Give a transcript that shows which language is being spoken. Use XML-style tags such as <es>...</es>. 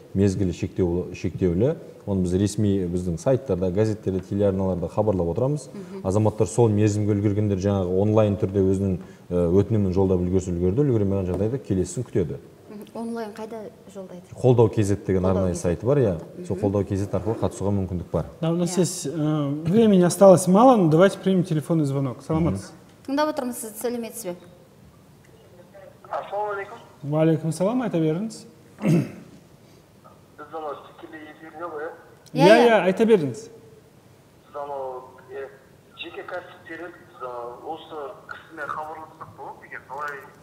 <kk>Мезгілі шектеулі. Оны біз ресми біздің сайттарда, газеттерде, телеарналарда хабарлап отырамыз. Азаматтар сол мерзімге үлгергендер жаңағы онлайн түрде өзінің өтінімін жолдап үлгерді, үлгермеген жағдайда келесісін күтеді. Онлайн қайда жолдайды? Қолдау кезет деген арнайы сайты бар, сол қолдау кезет арқылы қатысуға мүмкіндік бар.</kk> <ru>У нас времени осталось мало, но давайте примем телефонный звонок.</ru> <kk>Саламатсыз. Тыңдап отырмыз, сіз сәлеметсіз бе? Ассалаумағалейкум. Уағалейкум салам, айта беріңіз. Біз анау тікелей эфирде ғой, иә, айта беріңіз. Біз анау жеке кәсіптерін осы кісіне хабарласақ болады деген қалай?</kk>